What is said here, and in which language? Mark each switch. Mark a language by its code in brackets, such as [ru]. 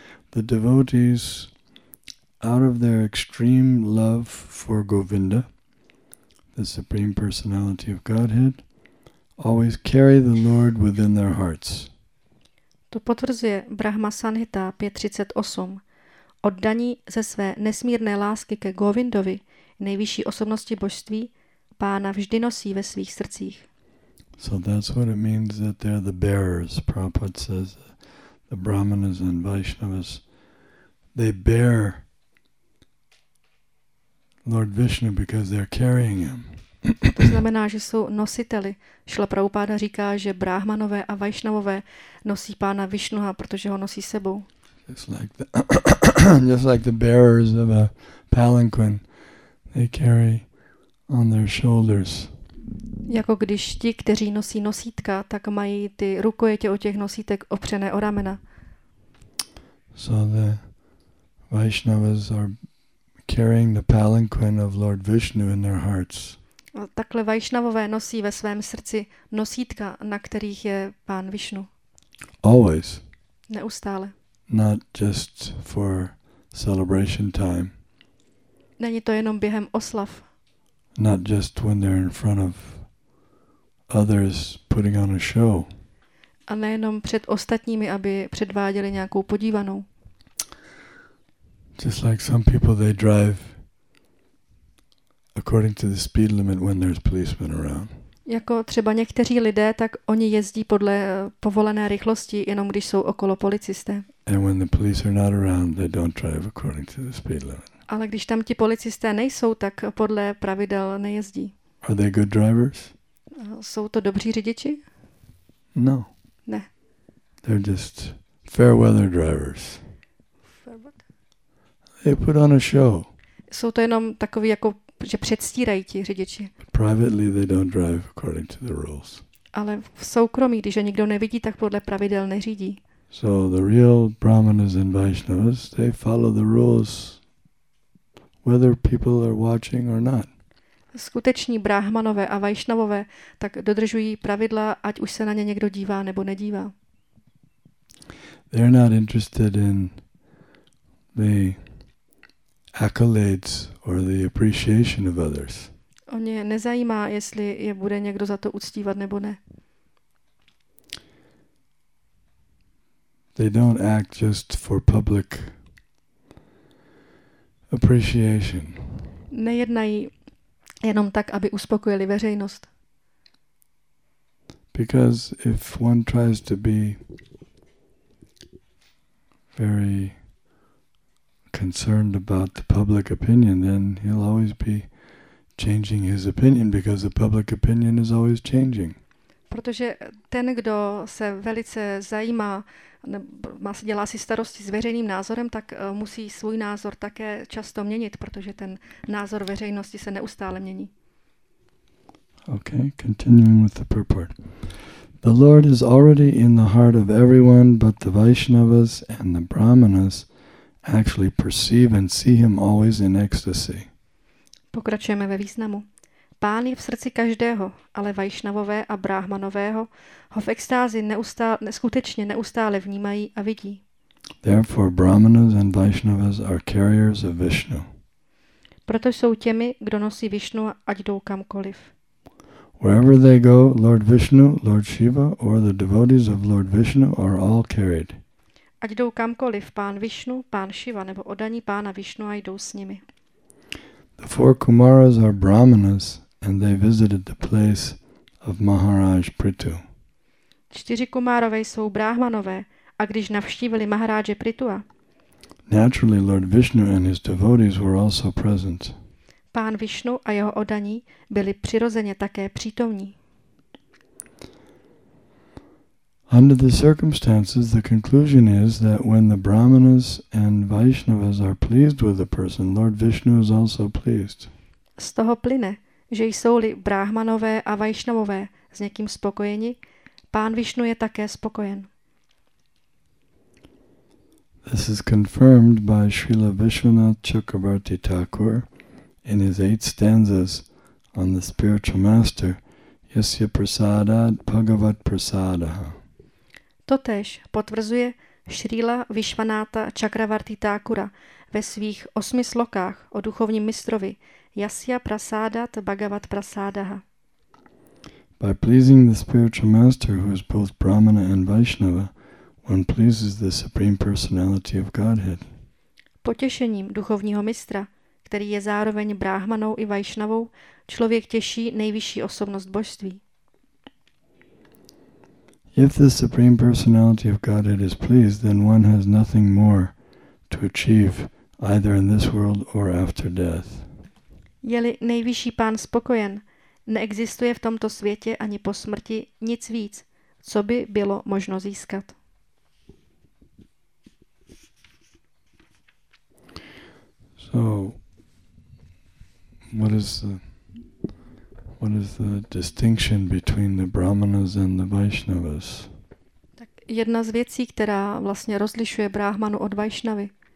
[en] The devotees, out of their extreme love for Govinda, the Supreme Personality of Godhead, always carry the Lord within their hearts. [cs] To potvrzuje Brahma Sanhita 538. Oddaní ze své nesmírné lásky ke Govindovi, nejvyšší osobnosti božství, pána vždy nosí ve svých srdcích. [en] So that's what it means that they're the bearers. Prabhupada says the Brahmanas and Vaishnavas, they bear Lord Vishnu because they're carrying him. [cs] To znamená, že jsou nositeli. Šila Prabhupáda říká, že Brahmanové a Vaishnavové nosí pána Vishnuha, protože ho nosí sebou. [en] Just like the bearers of a palanquin, they carry on their shoulders. [cs] Jako když ti, kteří nosí nosítka, tak mají ty rukojetě od těch nosítek opřené o ramena. [en] So the Vaishnavas are carrying the palanquin of Lord Vishnu in their hearts. [cs] Takhle Vaishnavové nosí ve svém srdci nosítka, na kterých je pán Vishnu. [en] Always. [cs] Neustále. [en] Not just for celebration time. [cs] Není to jenom během oslav. [en] Not just when they're in front of others putting on a show. [cs] A nejenom před ostatními, aby předváděli nějakou podívanou. [en] Just like some people, they drive according to the speed limit when there's policemen around. [cs] Jako třeba někteří lidé, tak oni jezdí podle povolené rychlosti, jenom když jsou okolo policisté. [en] And when the police are not around, they don't drive according to the speed limit. [cs] Ale když tam ti policisté nejsou, tak podle pravidel nejezdí. [en] Are they good drivers? [cs] Jsou to dobří řidiči? [en] No. [cs] Ne. [en] They're just fair weather drivers. Fair what? They put on a show. [cs] Jsou to jenom takový jako, že předstírají ti řidiči. [en] But privately they don't drive according to the rules. [cs] Ale v soukromí, když je nikdo nevidí, tak podle pravidel neřídí. [en] So the real brahmanas and vaishnavas, they follow the rules whether people are watching or not. [cs] Skuteční brahmanové a vaishnavové tak dodržují pravidla, ať už se na ně někdo dívá nebo nedívá. [en] They're not interested in the accolades or the appreciation of others. [cs] Oni nezajímá, jestli je bude někdo za to uctívat nebo ne. [en] They don't act just for public appreciation. [cs] Nejednají jenom tak, aby uspokojili veřejnost. [en] Because if one tries to be very concerned about the public opinion, then he'll always be changing his opinion because the public opinion is always changing. [cs] Protože ten, kdo se velice zajímá, dělá si starosti s veřejným názorem, tak musí svůj názor také často měnit, protože ten názor veřejnosti se neustále mění. [en] Okay, continuing with the purport. The Lord is already in the heart of everyone, but the Vaishnavas and the Brahmanas actually perceive and see him always in ecstasy. [cs] Pokračujeme ve významu. Pán je v srdci každého, ale Vaishnavové a Brahmanové ho v extázi skutečně neustále vnímají a vidí. [en] Therefore Brahmanas and Vaishnavas are carriers of Vishnu. [cs] Proto jsou těmi, kdo nosí Vishnu, ať jdou kamkoliv. [en] Wherever they go, Lord Vishnu, Lord Shiva or the devotees of Lord Vishnu are all carried. [cs] Ať jdou kamkoliv, pán Vishnu, pán Shiva nebo oddaní pána Vishnu a jdou s nimi. [en] The four Kumaras are Brahmanas and they visited the place of Maharaj Prithu. [cs] Čtyři Kumárové jsou Brahmanové a když navštívili Maharáže Prithua. [en] Naturally Lord Vishnu and his devotees were also present. [cs] Pán Vishnu a jeho oddaní byli přirozeně také přítomní. [en] Under the circumstances, the conclusion is that when the Brahmanas and Vaishnavas are pleased with a person, Lord Vishnu is also pleased. [cs] Z toho plyne, že jsou-li Brahmanové a Vaishnavové s někým spokojeni, pán Vishnu je také spokojen. [en] This is confirmed by Srila Vishwanath Chakravarti Thakur in his 8 stanzas on the spiritual master, [sa] Yasya Prasadad Bhagavat Prasadaha. [cs] Totéž potvrzuje Srila Vishwanatha Chakravarti Thakura ve svých 8 slokách o duchovním mistrovi [sa] Yasya Prasadat Bhagavat Prasadaha. [en] By pleasing the spiritual master who is both Brahmana and Vaishnava, one pleases the supreme personality of Godhead. [cs] Potěšením duchovního mistra, který je zároveň Brahmanou i Vaishnavou, člověk těší nejvyšší osobnost božství. [en] If the Supreme Personality of Godhead is pleased, then one has nothing more to achieve either in this world or after death. [cs] Je-li nejvyšší pán spokojen, neexistuje v tomto světě ani po smrti nic víc, co by bylo možno získat. [en] So, what is the distinction between the Brahmanas and the Vaishnavas? [cs] Tak jedna z věcí, která vlastně rozlišuje Brahmanu od Vaishnavy.